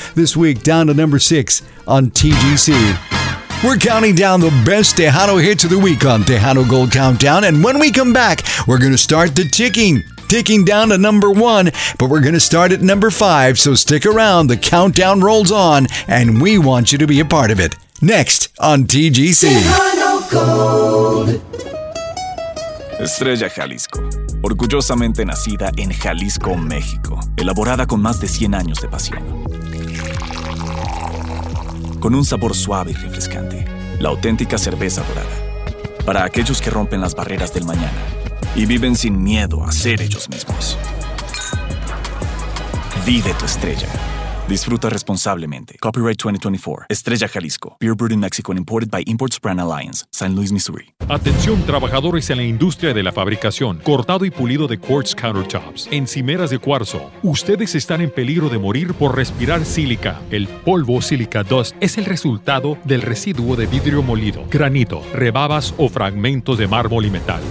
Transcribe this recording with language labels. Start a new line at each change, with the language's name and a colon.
English: This week, down to number 6 on TGC. We're counting down the best Tejano hits of the week on Tejano Gold Countdown. And when we come back, we're going to start the ticking. Ticking down to number 1, but we're going to start at number 5. So stick around, the countdown rolls on, and we want you to be a part of it. Next on TGC. Tejano Gold.
Spanish: Estrella Jalisco, orgullosamente nacida en Jalisco, México, elaborada con más de 100 años de pasión. Con un sabor suave y refrescante, la auténtica cerveza dorada. Para aquellos que rompen las barreras del mañana y viven sin miedo a ser ellos mismos. Vive tu estrella. Disfruta responsablemente. Copyright 2024. Estrella Jalisco.
English: Beer brewed in Mexico and imported by Imports Brand Alliance. San Luis, Missouri.
Spanish: Atención, trabajadores en la industria de la fabricación. Cortado y pulido de quartz countertops. Encimeras de cuarzo. Ustedes están en peligro de morir por respirar sílica. El polvo sílica dust es el resultado del residuo de vidrio molido, granito, rebabas o fragmentos de mármol y metal.